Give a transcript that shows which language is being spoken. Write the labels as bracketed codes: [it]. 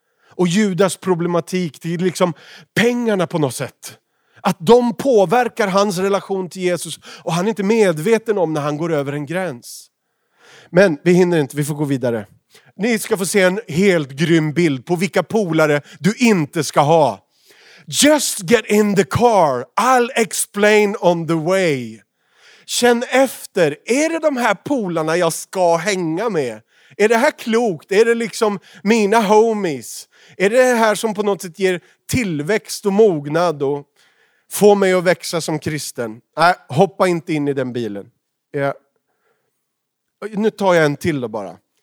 [sv] Och Judas problematik, det är liksom pengarna på något sätt. Att de påverkar hans relation till Jesus och han är inte medveten om när han går över en gräns. Men vi hinner inte, vi får gå vidare. Ni ska få se en helt grym bild på vilka polare du inte ska ha. [en] Just get in the car, I'll explain on the way. [sv] Känn efter, är det de här polarna jag ska hänga med? Är det här klokt? Är det liksom mina homies? Är det här som på något sätt ger tillväxt och mognad och få mig att växa som kristen? Nej, hoppa inte in i den bilen. Ja. Nu tar jag en till då bara.